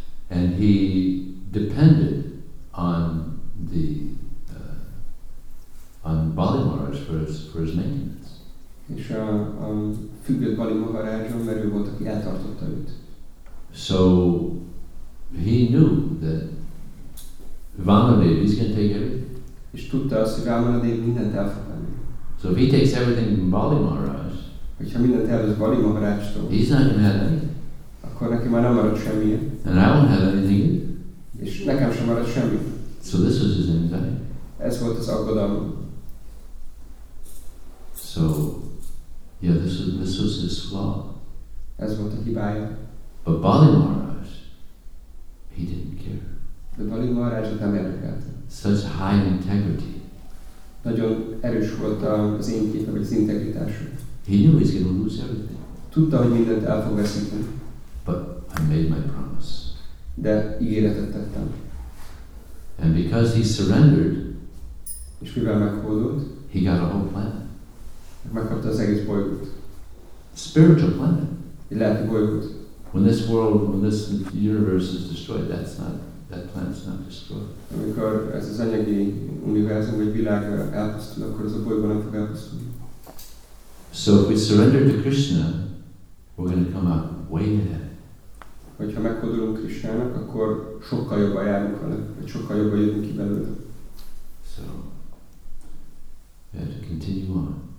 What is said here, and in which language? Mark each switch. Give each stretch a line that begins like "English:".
English: and he depended on the on Bali Maharaj for his maintenance.
Hungarian: És a függött Bali Maharajon, mert ő volt, aki eltartotta őt.
English: So he knew that Vamanadeva is going to take everything.
Hungarian: És tudta azt, hogy Vamanadeva mindent el fog venni.
English: So if he takes everything from Bali Maharaj,
Hungarian: hogyha mindent elvesz Bali Maharajtól,
English: he's not going to have anything.
Hungarian: Akkor neki már nem maradt semmi.
English: And I won't have anything.
Hungarian: És nekem sem maradt semmi.
English: So this was his anxiety.
Hungarian: Ez volt az aggodalma.
English: So, yeah, this was his flaw.
Hungarian: Ez volt a hibája.
English: But Bali Maharaj, he didn't care.
Hungarian: De Bali Maharaj nem érdekelte.
English: Such high integrity.
Hungarian: Nagyon erős volt az én képe, vagy az integritása.
English: He knew he's going to lose everything.
Hungarian: Tudta, hogy mindent el fog veszíteni.
English: But I made my promise.
Hungarian: De ígéretet tettem.
English: And because he surrendered,
Hungarian: és mivel meghódult,
English: he got a whole planet.
Hungarian: Megkapta az egész bolygót.
English: Spiritual planet.
Hungarian: Egy lelki bolygót.
English: When this universe is destroyed, that planet's not destroyed.
Hungarian: Amikor ez az anyagi univerzum vagy világ elpusztul, akkor ez a bolygó nem fog elpusztulni.
English: So if we surrender to Krishna, we're going to come out way ahead.
Hungarian: hogyha meghódolunk Krisnának, akkor sokkal jobban járunk vele, vagy sokkal jobban jövünk ki belőle.
English: So, we have to continue on.